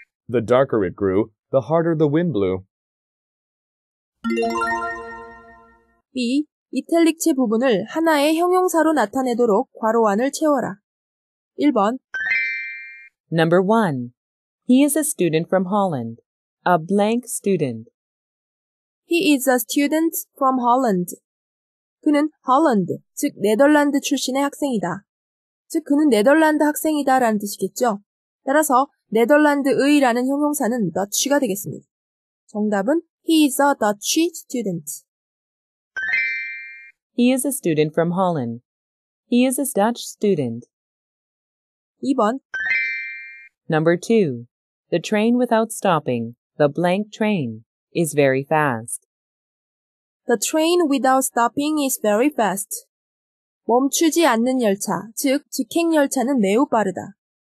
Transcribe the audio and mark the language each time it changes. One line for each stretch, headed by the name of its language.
English: The darker it grew, the harder the wind blew. B.
Korean: 이탈릭체 부분을 하나의 형용사로 나타내도록 괄호 안을 채워라. 1번
English: Number 1. He is a student from Holland. A blank student. He is a student from Holland.
Korean: 그는 Holland, 즉 네덜란드 출신의 학생이다. 즉 그는 네덜란드 학생이다 라는 뜻이겠죠. 따라서 네덜란드의라는 형용사는 Dutch가 되겠습니다. 정답은
English: He is a Dutch student. He is a student from Holland. He is a Dutch student.
Korean: 2번
English: Number 2. The train without stopping, the blank train, is very fast. The train without stopping is very fast.
Korean: 멈추지 않는 열차, 즉 직행열차는 매우 빠르다.